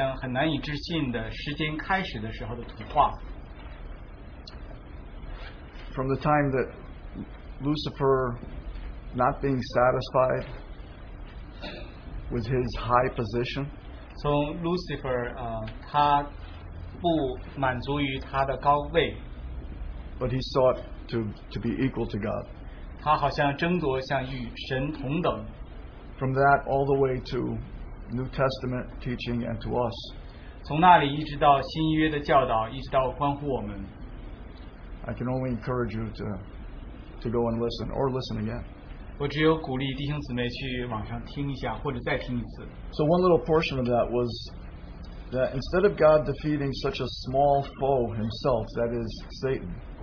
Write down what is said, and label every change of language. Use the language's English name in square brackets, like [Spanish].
[Chinese] 将弟兄给大家一幅好像很难以置信的时间开始的时候的图画。 [English] From the time that Lucifer, not being satisfied with his high position, [Chinese] 从 Lucifer 他不满足于他的高位， [English] but he sought to be equal to God. [Chinese] 他好像争夺像与神同等。 [English] From that all the way to New Testament teaching and to us. [Chinese] 从那里一直到新约的教导，一直到关乎我们。 [English] I can only encourage you to go and listen or listen again. [Chinese] 我只有鼓励弟兄姊妹去网上听一下，或者再听一次。 [English] So one little portion of that was that instead of God defeating such a small foe himself, that is Satan.